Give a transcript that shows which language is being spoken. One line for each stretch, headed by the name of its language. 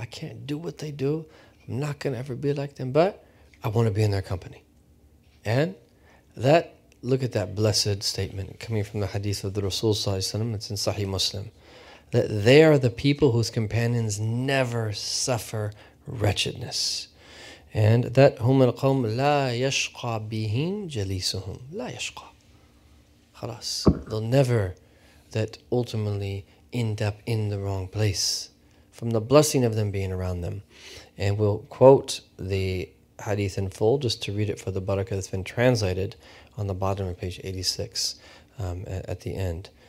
English: I can't do what they do. I'm not going to ever be like them, but I want to be in their company. And that, look at that blessed statement coming from the Hadith of the Rasul Sallallahu Alaihi Wasallam. It's in Sahih Muslim. That they are the people whose companions never suffer wretchedness. And that
Arabic: هم القوم لا يشقى بهم جليسهم لا يشقى خلاص.
English: They'll never that ultimately end up in the wrong place from the blessing of them being around them. And we'll quote the Hadith in full just to read it for the barakah that's been translated on the bottom of page 86 at the end.